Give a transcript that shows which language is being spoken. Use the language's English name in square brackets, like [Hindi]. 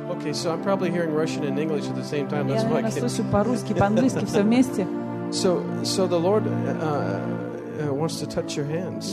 [English] Okay, so I'm probably hearing Russian and English at the same time. That's why I can't. [Russian] Я слышу по-русски, по-английски все вместе. [English] So the Lord wants to touch your hands.